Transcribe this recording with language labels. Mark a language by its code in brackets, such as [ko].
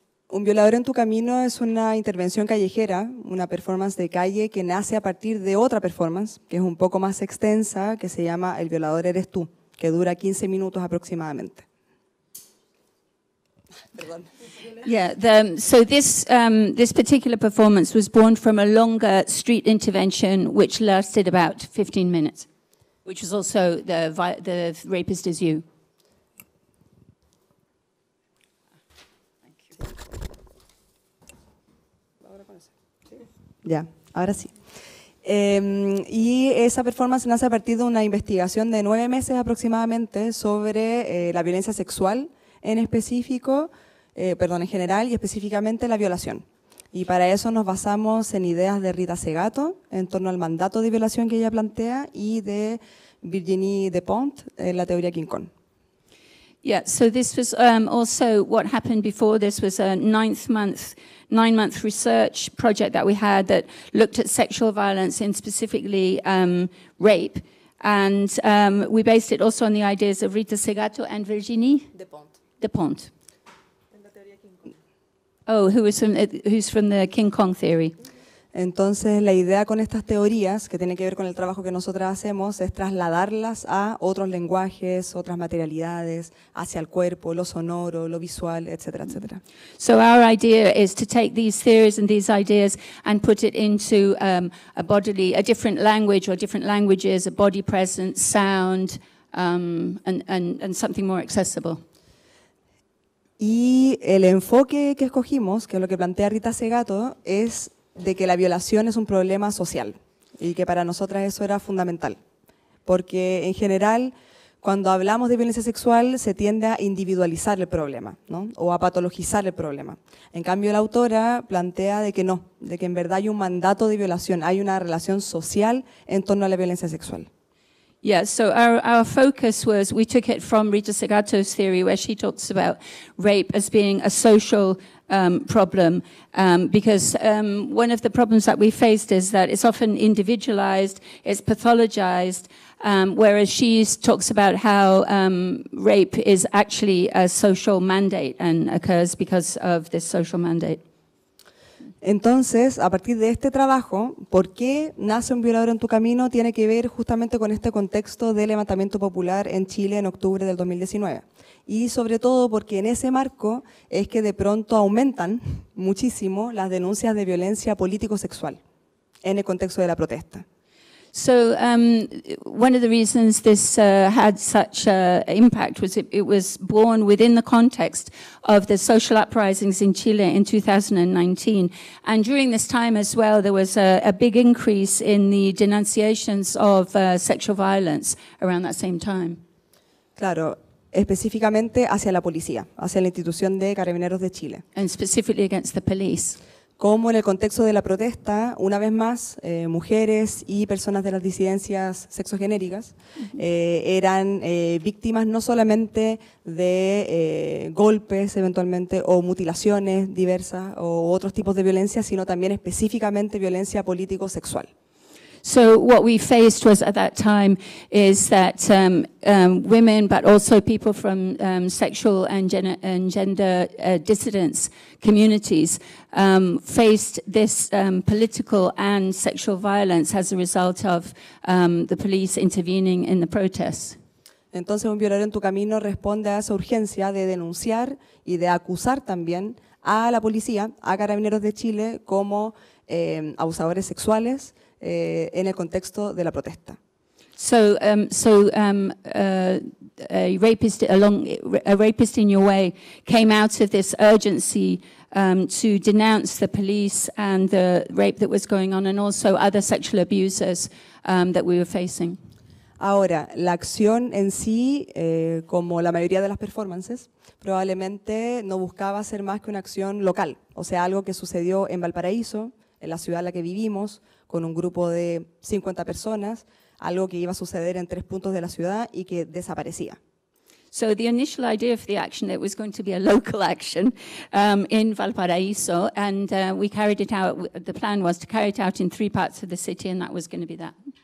[es] Un violador en tu camino es una intervención callejera, una performance de calle que nace a partir de otra performance, que es un poco más extensa, que se llama El violador eres tú, que dura 15 minutos aproximadamente. [en] Yeah, this particular performance was born from a longer street intervention which lasted about 15 minutes, which was also the rapist is you. [es] Ya, ahora sí. Y esa performance nace a partir de una investigación de 9 meses aproximadamente sobre la violencia sexual en específico, perdón, en general y específicamente la violación. Y para eso nos basamos en ideas de Rita Segato en torno al mandato de violación que ella plantea y de Virginie Despont en la teoría King Kong. [en] Yeah, so this was also what happened before. This was a nine-month research project that we had that looked at sexual violence and specifically rape. And we based it also on the ideas of Rita Segato and Virginie? Despont. Oh, who's from the King Kong theory. [es] Entonces, la idea con estas teorías, que tiene que ver con el trabajo que nosotras hacemos, es trasladarlas a otros lenguajes, otras materialidades, hacia el cuerpo, lo sonoro, lo visual, etcétera, etcétera. [en] So our idea is to take these theories and these ideas and put it into a different language or different languages, a body presence, sound, and something more accessible. [es] Y el enfoque que escogimos, que es lo que plantea Rita Segato, es de que la violación es un problema social y que para nosotras eso era fundamental. Porque en general, cuando hablamos de violencia sexual, se tiende a individualizar el problema, ¿no? O a patologizar el problema. En cambio, la autora plantea de que no, de que en verdad hay un mandato de violación, hay una relación social en torno a la violencia sexual. [en] Yeah, so our focus was, we took it from Rita Segato's theory, where she talks about rape as being a social problem, because one of the problems that we faced is that it's often individualized, it's pathologized, whereas she talks about how rape is actually a social mandate and occurs because of this social mandate. [es] Entonces, a partir de este trabajo, ¿por qué nace un violador en tu camino? Tiene que ver justamente con este contexto del levantamiento popular en Chile en octubre del 2019. Y sobre todo porque en ese marco es que de pronto aumentan muchísimo las denuncias de violencia político-sexual en el contexto de la protesta. [en] So, one of the reasons this had such impact was it was born within the context of the social uprisings in Chile in 2019. And during this time as well, there was a big increase in the denunciations of sexual violence around that same time. [es] Claro, específicamente hacia la policía, hacia la institución de Carabineros de Chile. [en] And specifically against the police. [es] Como en el contexto de la protesta, una vez más, mujeres y personas de las disidencias sexogenéricas eran víctimas no solamente de golpes, eventualmente, o mutilaciones diversas o otros tipos de violencia, sino también específicamente violencia político-sexual. [en] So what we faced was at that time is that women, but also people from sexual and gender dissidents communities faced this political and sexual violence as a result of the police intervening in the protests. [es] Entonces, un violador en tu camino responde a esa urgencia de denunciar y de acusar también a la policía, a Carabineros de Chile, como abusadores sexuales. En el contexto de la protesta. [en] A rapist in your way came out of this urgency to denounce the police and the rape that was going on and also other sexual abusers that we were facing. [es] Ahora, la acción en sí, como la mayoría de las performances, probablemente no buscaba ser más que una acción local, o sea, algo que sucedió en Valparaíso, en la ciudad en la que vivimos, con un grupo de 50 personas, algo que iba a suceder en tres puntos de la ciudad y que desaparecía. [en] So the initial idea of the action, it was going to be a local action in Valparaíso, and we carried it out, the plan was to carry it out in three parts of the city, and that was going to be that.